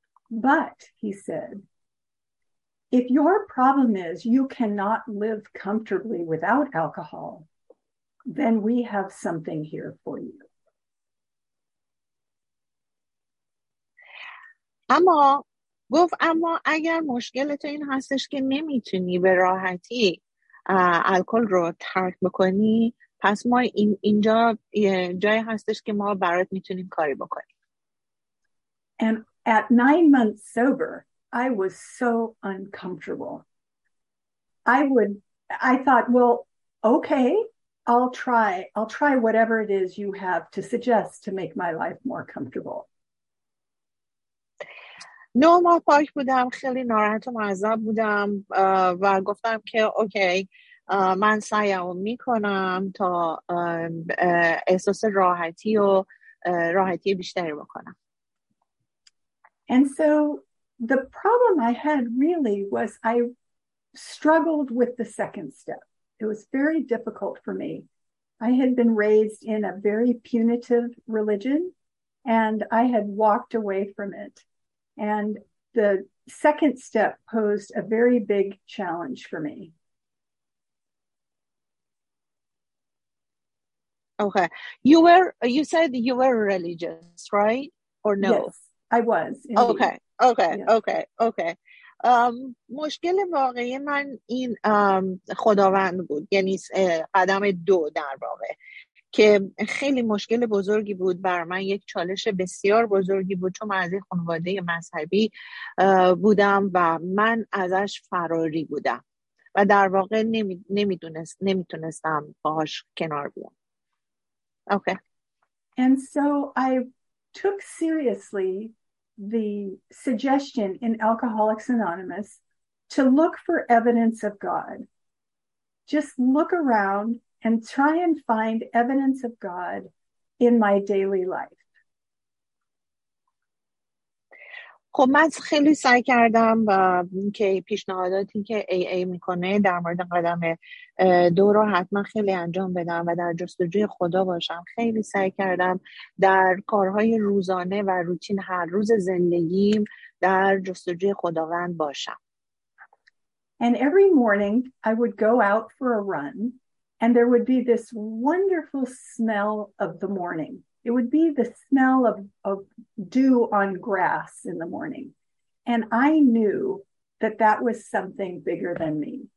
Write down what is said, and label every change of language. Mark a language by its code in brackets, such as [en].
[en] But he said if your problem is you cannot live comfortably without alcohol, then we have something here for you. [fa] اما اگر مشکل تو این هستش که نمیتونی به راحتی الکل رو ترک بکنی، پس ما اینجا جایی هستش که ما برات میتونیم کاری بکنیم. [en] And at 9 months sober, I was so uncomfortable. I thought, well, okay, I'll try whatever it is you have to suggest to make my life more comfortable. [fa] نه ما پاک بودم، خیلی ناراحت و معذب بودم و گفتم که اوکی من سعیمو میکنم تا احساس راحتی و راحتی بیشتری بکنم. [en] And so the problem I had really was I struggled with the second step. It was very difficult for me. I had been raised in a very punitive religion and I had walked away from it. And the second step posed a very big challenge for me. Okay. You said you were religious, right? Or no? Yes, I was. Okay. [fa] مشکل واقعی من این خداوند بود، یعنی قدم دو در واقع، که خیلی مشکل بزرگی بود بر من، یک چالش بسیار بزرگی بود، چون من از خانواده مذهبی بودم و من ازش فراری بودم و در واقع نمیتونستم باهاش کنار بیام. [en] Okay. And so I took seriously the suggestion in Alcoholics Anonymous to look for evidence of God. Just look around and try and find evidence of God in my daily life. [fa] خب من خیلی سعی کردم و که پیشنهاداتی که AA میکنه در مورد قدم دو رو حتما خیلی انجام بدم و در جستجوی خدا باشم. خیلی سعی کردم در کارهای روزانه و روتین هر روز زندگیم در جستجوی خداوند باشم. [en] And every morning I would go out for a run. And there would be this wonderful smell of the morning. It would be the smell of dew on grass in the morning. And I knew that that was something bigger than me.